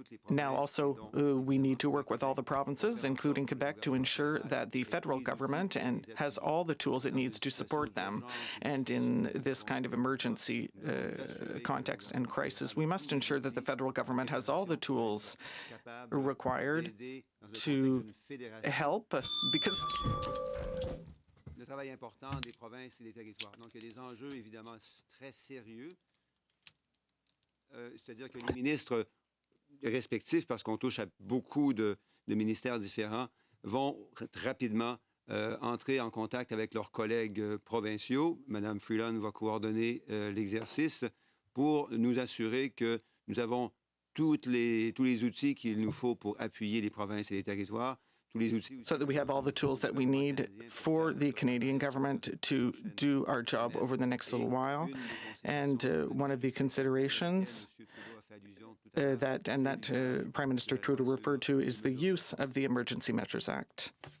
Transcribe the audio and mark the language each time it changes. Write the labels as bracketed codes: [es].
[en] Now, also, we need to work with all the provinces, including Quebec, to ensure that the federal government and has all the tools it needs to support them. And in this kind of emergency context and crisis, we must ensure that the federal government has all the tools required to help, because [fr] le travail important des provinces et des territoires. Donc, il y a des enjeux évidemment très sérieux, c'est-à-dire que les ministres respectifs, parce qu'on touche à beaucoup de ministères différents, vont rapidement entrer en contact avec leurs collègues provinciaux. Madame Freeland va coordonner l'exercice pour nous assurer que nous avons tous les outils qu'il nous faut pour appuyer les provinces et les territoires. [en] So that we have all the tools that we need for the Canadian government to do our job over the next little while. And one of the considerations that Prime Minister Trudeau referred to is the use of the Emergency Measures Act.